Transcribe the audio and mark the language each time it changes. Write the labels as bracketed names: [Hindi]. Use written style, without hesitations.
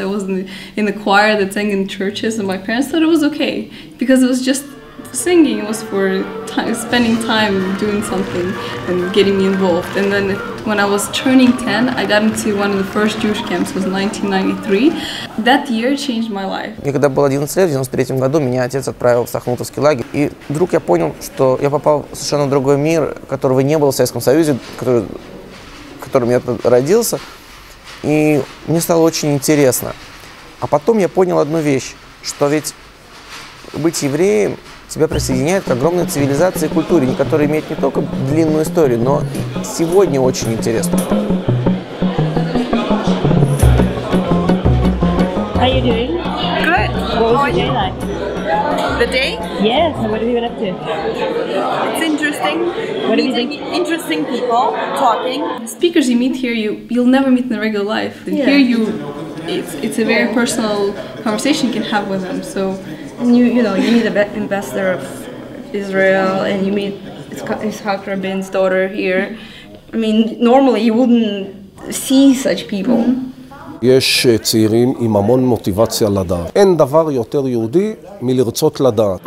[English] I was in the choir that sang in churches, and my parents thought it was okay because it was just singing. It was for spending time doing something and getting me involved. And then when I was turning 10, I got into one of the first Jewish camps. It was 1993. That year changed my life. [Russian] Когда было 11 лет, в 93 году меня отец отправил в Сахнутовский лагерь. И вдруг я понял, что я попал в совершенно другой мир, которого не было в Советском Союзе, в котором я родился. И мне стало очень интересно. А потом я понял одну вещь, что ведь быть евреем тебя присоединяет к огромной цивилизации и культуре, которая имеет не только длинную историю, но и сегодня очень интересно. [English] How are you doing? Good. What was your day like? The day? Yes, and what have you been up to? It's interesting. What meeting do you think? Interesting people talking. The speakers you meet here, you'll never meet in the regular life. And yeah. Here it's a very personal conversation you can have with them. So you meet the ambassador of Israel, and you meet Yitzhak Rabin's daughter here. I mean, normally you wouldn't see such people. [Hebrew] יש צעירים עם המון מוטיבציה לדעת. אין דבר יותר יהודי מלרצות לדעת.